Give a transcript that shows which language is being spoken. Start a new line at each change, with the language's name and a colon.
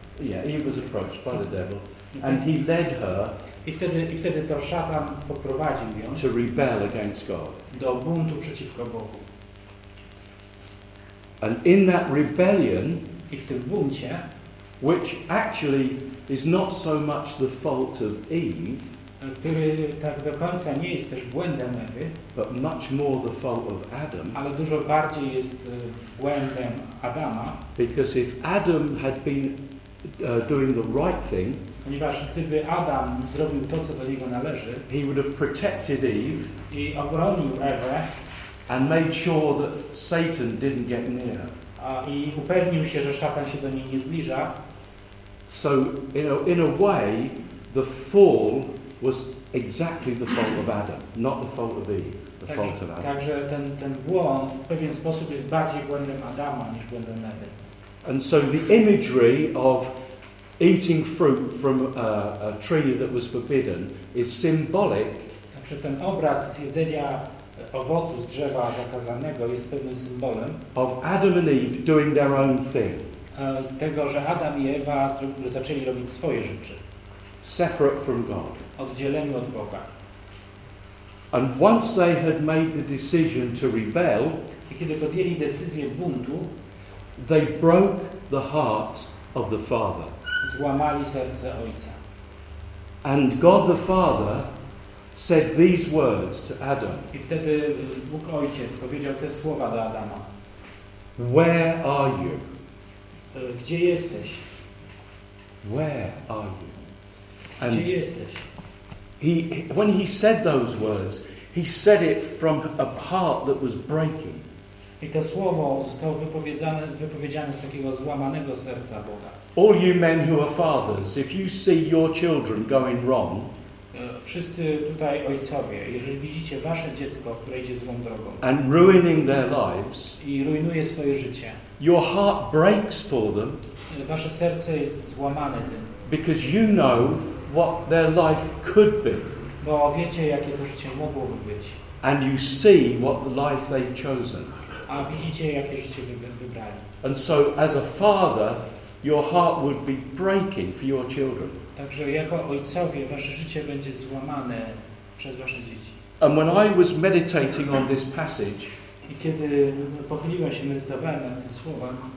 English: Yeah, Eve was approached by the devil. And he led her.
Polish: I wtedy to szatan poprowadził ją.
English: To rebel against God.
Polish: Do buntu przeciwko Bogu.
English: And in that rebellion,
Polish: i w tym buncie,
English: which actually is not so much the fault of Eve,
Polish: który tak do końca nie jest też błędem Ewy,
English: but much more the fault of Adam,
Polish: ale dużo bardziej jest błędem Adama,
English: because if Adam had been doing the right thing,
Polish: ponieważ gdyby Adam zrobił to, co do niego należy,
English: he would have protected Eve,
Polish: i obronił Ewę,
English: and made sure that Satan didn't get near.
Polish: I upewnił się, że szatan się do niej nie zbliża.
English: So, you know, in a way, the fall was exactly the fault of Adam, not the fault of Eve, the fault of Adam.
Polish: Także ten błąd w pewien sposób jest bardziej błędem Adama niż błędem Ewy.
English: And so the imagery of eating fruit from a tree that was forbidden is symbolic.
Polish: Także ten obraz z jedzenia owocu z drzewa zakazanego jest pewnym symbolem
English: of Adam and Eve doing their own thing.
Polish: Tego, że Adam i Ewa zaczęli robić swoje rzeczy.
English: Separate from God.
Polish: Oddzieleni od Boga.
English: And once they had made the decision to rebel,
Polish: i kiedy podjęli decyzję buntu,
English: they broke the heart of the Father.
Polish: Złamali serce Ojca.
English: And God the Father said these words to Adam.
Polish: I wtedy Bóg Ojciec powiedział te słowa do Adama.
English: Where are you?
Polish: Gdzie jesteś?
English: Where are you? And
Polish: gdzie jesteś?
English: When he said those words, he said it from a heart that was breaking.
Polish: I to słowo zostało wypowiedziane z takiego złamanego serca Boga.
English: All you men who are fathers, if you see your children going wrong,
Polish: wszyscy tutaj ojcowie, jeżeli widzicie wasze dziecko, które idzie złą drogą,
English: and ruining their lives,
Polish: i rujnuje swoje życie,
English: your heart breaks for them,
Polish: wasze serce jest złamane tym,
English: because you know what their life could be,
Polish: bo wiecie, jakie to życie mogłoby być,
English: and you see what life they've chosen,
Polish: a widzicie, jakie życie wybrali.
English: And so as a father, your heart would be breaking for your children.
Polish: Także jako ojcowie wasze życie będzie złamane przez wasze dzieci.
English: And when I was meditating on this passage,
Polish: i kiedy pochyliłem się, medytowałem nad tym słowem,